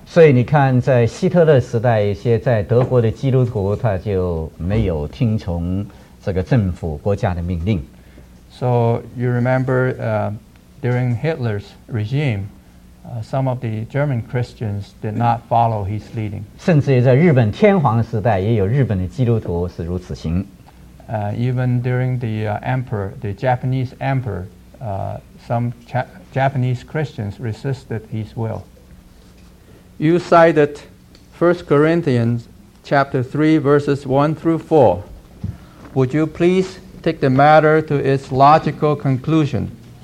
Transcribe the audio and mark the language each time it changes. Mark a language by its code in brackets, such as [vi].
[zh] 所以你看，在希特勒时代，一些在德国的基督徒他就没有听从这个政府国家的命令。 [en] So you remember during Hitler's regime, some of the German Christians did not follow his leading. [zh] 甚至在日本天皇时代，也有日本的基督徒是如此行。 [en] Even during the emperor, the Japanese emperor, some Japanese Christians resisted his will. You cited 1 Corinthians chapter 3, verses 1 through 4. Would you please take the matter to its logical conclusion?